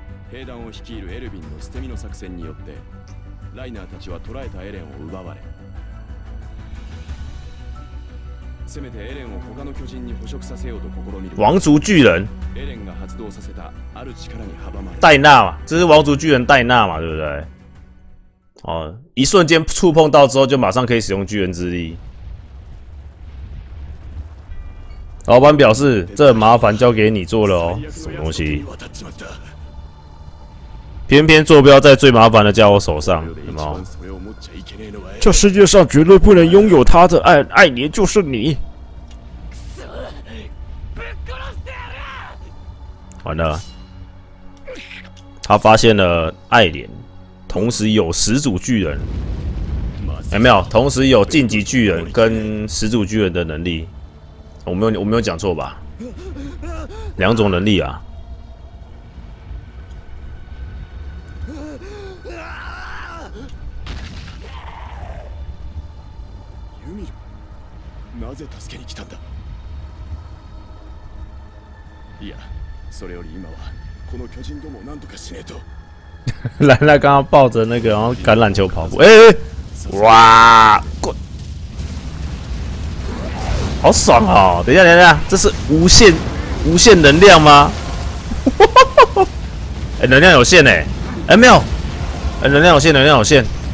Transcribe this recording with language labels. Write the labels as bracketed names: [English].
[Japanese] 兵団を率いるエルヴィンの捨て身の作戦によって、ライナーたちは捕らえたエレンを奪われ。せめてエレンを他の巨人に捕食させようと試みる。王族巨人。エレンが発動させたある力に阻まれ。 [Chinese] 戴娜嘛，这是王族巨人戴娜嘛，对不对？哦，一瞬间触碰到之后，就马上可以使用巨人之力。老板表示，这麻烦交给你做了哦。什么东西？偏偏坐标在最麻烦的家伙手上，什么？这世界上绝对不能拥有他的爱莲就是你。完了，他发现了爱莲，同时有始祖巨人，有没有？同时有晋级巨人跟始祖巨人的能力，我没有讲错吧？两种能力啊。 [Japanese] なぜ助けに来たんだ。いや、それより今はこの巨人どもを何とかしねえと。 [Chinese] 莱纳刚刚抱着那个然后橄榄球跑步，哇，滚！好爽哦！等一下，等一下，这是无限能量吗？欸，能量有限欸，没有，能量有限，能量有限。